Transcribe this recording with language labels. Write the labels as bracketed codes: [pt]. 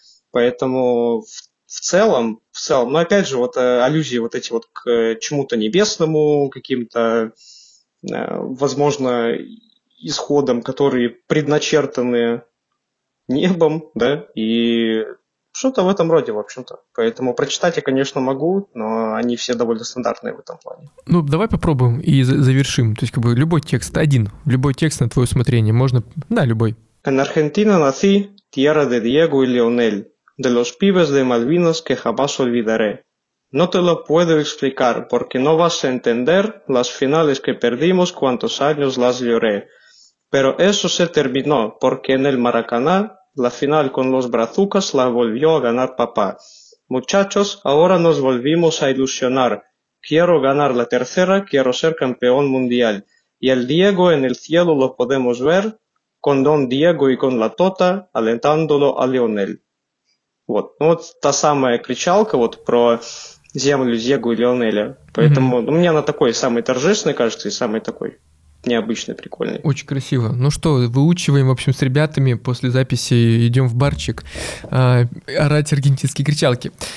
[ru] поэтому в целом, но опять же, вот аллюзии вот эти вот к чему-то небесному, каким-то, возможно, исходам, которые предначертаны небом, да, и что-то в этом роде, в общем-то. Поэтому прочитать я, конечно, могу, но они все довольно стандартные в этом плане. Ну, давай попробуем и завершим. То есть, как бы, любой текст, один, любой текст на твое усмотрение, можно... Да, любой. [es] En Argentina nací, tierra de Diego y Lionel. De los pibes de Malvinas que jamás olvidaré. No te lo puedo explicar porque no vas a entender las finales que perdimos cuántos años las lloré. Pero eso se terminó porque en el Maracaná la final con los Brazucas la volvió a ganar papá. Muchachos, ahora nos volvimos a ilusionar. Quiero ganar la tercera, quiero ser campeón mundial. Y el Diego en el cielo lo podemos ver con Don Diego y con la Tota alentándolo a Lionel. [ru] Вот, ну вот та самая кричалка вот про землю Диего и Лионеля. Поэтому, ну, мне она такой самый торжественный, кажется, и самый такой необычный, прикольный. Очень красиво. Ну что, выучиваем, в общем, с ребятами после записи идем в барчик орать аргентинские кричалки.